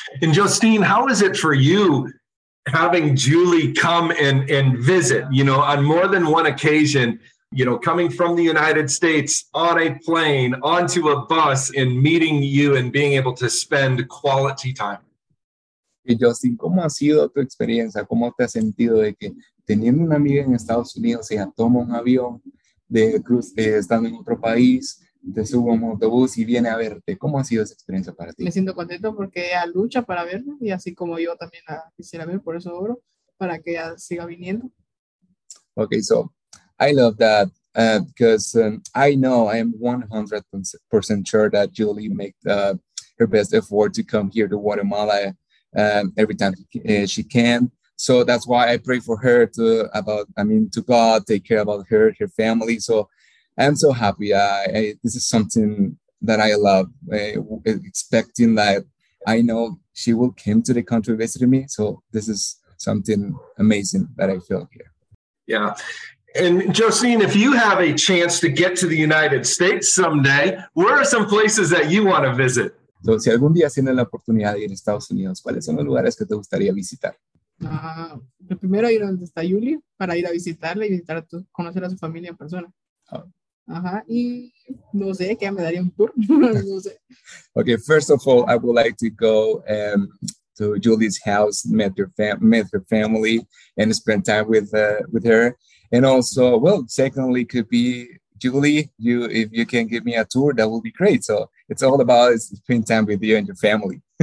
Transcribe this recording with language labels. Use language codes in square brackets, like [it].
[en] And Justine, how is it for you having Julie come and visit, on more than one occasion, coming from the United States on a plane, onto a bus, and meeting you and being able to spend quality time? [es] Justine, ¿cómo ha sido tu experiencia? ¿Cómo te has sentido de que teniendo una amiga en Estados Unidos, ella toma un avión de cruz, estando en otro país, te sube un autobús y viene a verte? ¿Cómo ha sido esa experiencia para ti? Me siento contento porque ella lucha para verme y así como yo también la quisiera ver, por eso oro, para que ella siga viniendo. [en] Okay, so I love that because I know I am 100% sure that Julie made her best effort to come here to Guatemala every time she can. So that's why I pray for her to God, take care about her family. So I'm so happy. This is something that I love, expecting that I know she will come to the country visiting me. So this is something amazing that I feel here. Yeah. And Josine, if you have a chance to get to the United States someday, where are some places that you want to visit? [es] So, si algún día tienes la oportunidad de ir a Estados Unidos, ¿cuáles son los lugares que te gustaría visitar? El primero ir donde está Yuli para ir a visitarla y visitar a tu, conocer a su familia en persona. Y no sé, ¿qué me daría un tour? No sé. [en] Okay, first of all, I would like to go to Julie's house, meet her family, and spend time with her. And also, well, secondly, could be Julie. If you can give me a tour, that will be great. So it's all about spending time with you and your family.